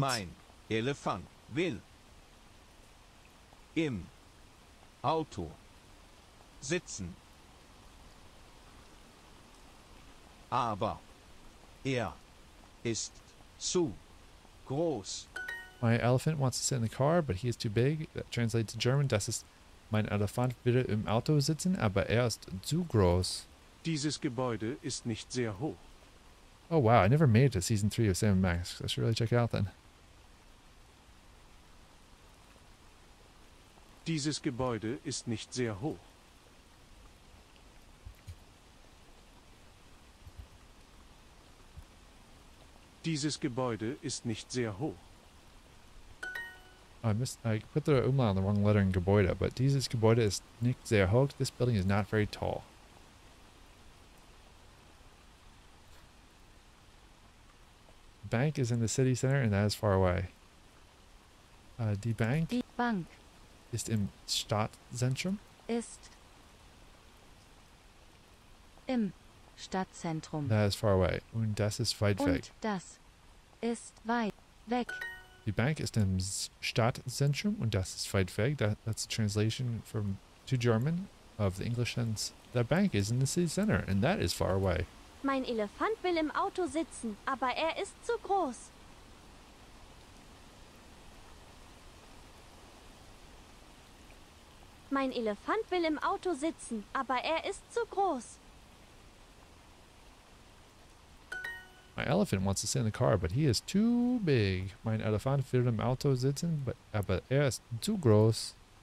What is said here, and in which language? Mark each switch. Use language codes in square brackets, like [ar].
[de] Mein Elefant will im Auto sitzen. Aber er ist zu groß. [en] My elephant wants to sit in the car, but he is too big. That translates to German. [de] Das ist mein Elefant will im Auto sitzen, aber ist zu groß. Dieses Gebäude ist nicht sehr hoch. [en] Oh wow, I never made it to season 3 of Sam & Max. I should really check it out then. [de] Dieses Gebäude ist nicht sehr hoch. Dieses Gebäude ist nicht sehr hoch. [en] I put the umlaut on the wrong letter in Gebäude, but [de] dieses Gebäude ist nicht sehr hoch. [en] This building is not very tall. bank is in the city center, and that is far away. [de] Die Bank ist im Stadtzentrum. Ist im Stadtzentrum. [en] That is far away. [de] Und das ist weit und weg. Und das ist weit weg. Die Bank ist im Stadtzentrum und das ist weit weg. [en] That's a translation from to German of the English sense. The bank is in the city center and that is far away. [de] Mein Elefant will im Auto sitzen, aber ist zu groß. Mein Elefant will im Auto sitzen, aber ist zu groß. [en] My elephant wants to sit in the car, but he is too big. [de] Mein Elefant will im Auto sitzen, aber ist zu groß.